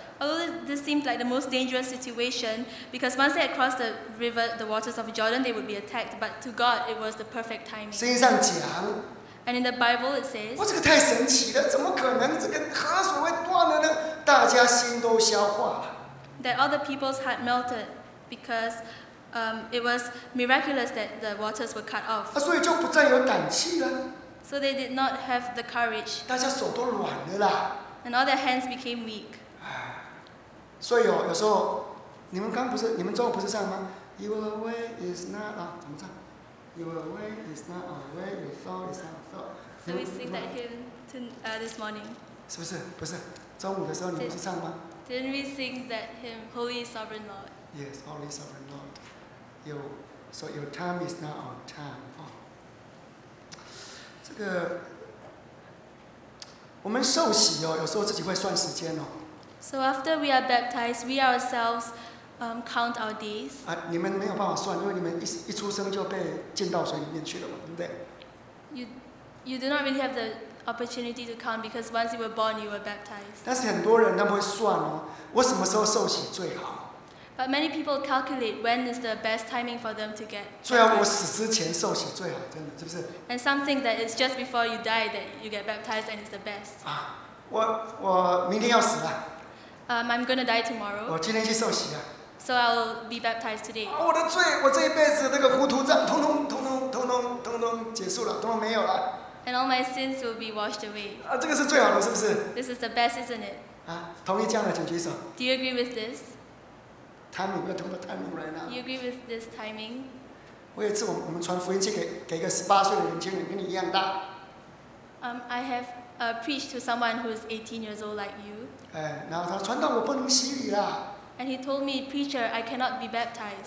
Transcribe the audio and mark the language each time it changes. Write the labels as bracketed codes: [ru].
[en] Although this seemed like the most dangerous situation, because once they had crossed the river, the waters of Jordan, they would be attacked. But to God, it was the perfect timing. [zh] 圣经上讲, [en] And in the Bible it says, [zh] 这个太神奇了，怎么可能这个河水会断了呢？大家心都消化了。 [en] That all the people's heart melted because, it was miraculous that the waters were cut off. [zh] 所以就不再有胆气了。 [en] So they did not have the courage. [zh] 大家手都软了啦。 [en] And all their hands became weak. [zh] 所以有时候，你们刚不是，你们中午不是唱吗？ [en] Your way is not our, [zh] 怎么唱？ [en] Your way is not our way, your thought is not our thought. So we sing that hymn this morning. [zh] 是不是？不是，中午的时候你们不是唱吗？ [en] Didn't we sing that hymn, Holy Sovereign Lord? Yes, Holy Sovereign Lord. So your time is not our time.、Oh. [zh] 这个，我们受洗哦，有时候自己会算时间哦。 [en] So after we are baptized, we ourselves count our days. [zh] 你们没有办法算，因为你们 一出生就被浸到水里面去了嘛，对不对？ [en] You do not really have the opportunity to count because once you were born, you were baptized. [zh] 但是很多人他们会算哦，我什么时候受洗最好？ [en] But many people calculate when is the best timing for them to get. [zh] 最好我死之前受洗最好，真的是不是？ [en] And some think that it's just before you die that you get baptized and it's the best. [zh] 我明天要死了。 [en] I'm gonna die tomorrow. [zh] 我今天去受洗啊。 [en] So I'll be baptized today. [zh] 我的罪，我这一辈子那个糊涂账，通通结束了，通通没有了。 [en] And all my sins will be washed away. [zh] 这个是最好的，是不是？ [en] This is the best, isn't it? [zh] 同意这样的，请举手。 [en] Do you agree with this? Timing, [zh] 要通过 [en] timing right now. Do you agree with this timing? [zh] 我有一次，我们传福音去给一个十八岁的年轻人，跟你一样大。 [en] I have preached to someone who is 18 years old like you. [zh] 然后他传道，我不能洗礼啦。 [en] And he told me, preacher, I cannot be baptized.